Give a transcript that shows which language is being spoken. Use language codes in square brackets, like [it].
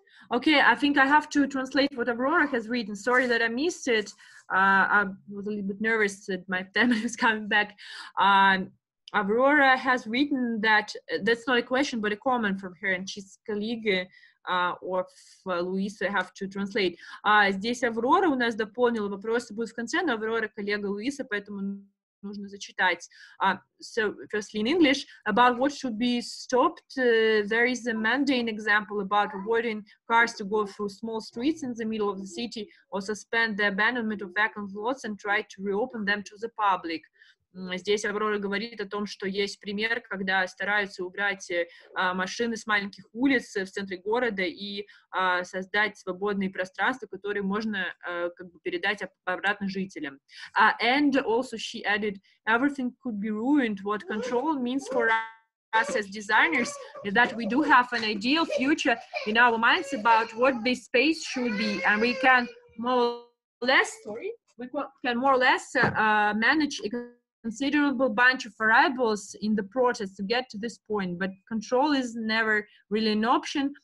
[en] Okay, I think I have to translate what Aurora has written. Sorry that I missed it. I was a little bit nervous that my family was coming back. Aurora has written that's not a question, but a comment from her, and she's colleague of Luisa. I have to translate. [ru] Здесь Аврора у нас дополнила вопросы, будет в конце, но Аврора коллега Луиса, поэтому нужно зачитать. [en] So, firstly, in English, about what should be stopped, there is a mundane example about avoiding cars to go through small streets in the middle of the city or suspend the abandonment of vacant lots and try to reopen them to the public. [ru] Здесь Аврора говорит о том, что есть пример, когда стараются убрать машины с маленьких улиц в центре города и создать свободные пространства, которые можно как бы передать обратно жителям. [en] And also she added, everything could be ruined. What control means for us as designers is that we do have an ideal future in our minds about what this space should be, and we can more or less manage considerable bunch of variables in the process to get to this point, but control is never really an option.